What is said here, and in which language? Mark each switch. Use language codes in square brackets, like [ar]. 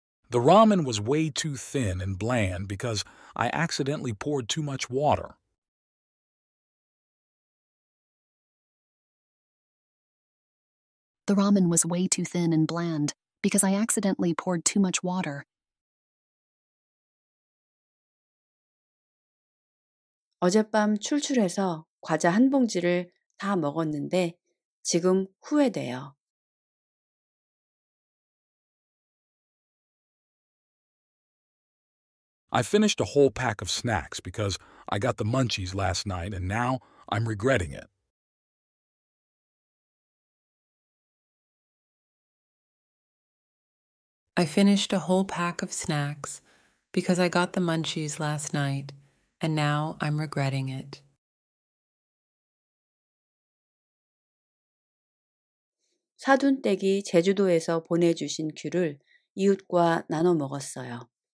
[en] The ramen was way too thin and bland because I accidentally poured too much water. The ramen was way too thin and bland because I accidentally poured too much water. [ko] 어젯밤 출출해서 과자 한 봉지를 다 먹었는데 지금 후회돼요. [en] I finished a whole pack of snacks because I got the munchies last night and now I'm regretting it. I finished a whole pack of snacks because I got the munchies last night and now I'm regretting it. [ko] 사둔댁이 제주도에서 보내주신 귤을 이웃과 나눠 먹었어요.